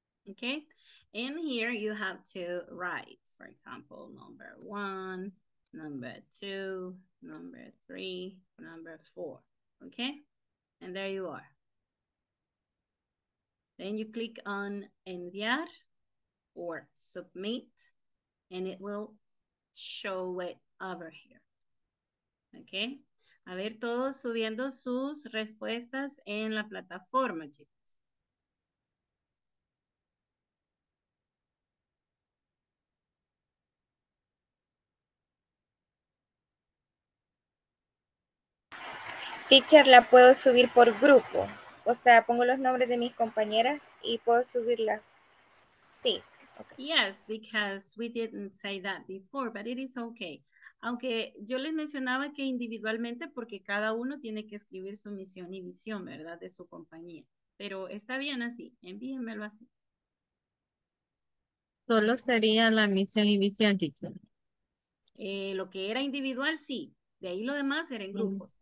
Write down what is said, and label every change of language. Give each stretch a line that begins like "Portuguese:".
English: Okay, in here you have to write, for example, number one, number two, number three, number four. Okay, and there you are. Then you click on enviar or submit, and it will show it over here.
Spanish: Okay, a ver todos subiendo sus respuestas en la plataforma, chicos. Teacher, la puedo subir por grupo. O sea, pongo los nombres de mis compañeras y puedo subirlas. Sí.
English: Okay. Yes, because we didn't say that before, but it is okay.
Spanish: Aunque yo les mencionaba que individualmente, porque cada uno tiene que escribir su misión y visión, ¿verdad? De su compañía. Pero está bien así. Envíenmelo así. Solo sería la misión y visión, teacher. Lo que era individual, sí. De ahí lo demás era en grupo. Mm-hmm.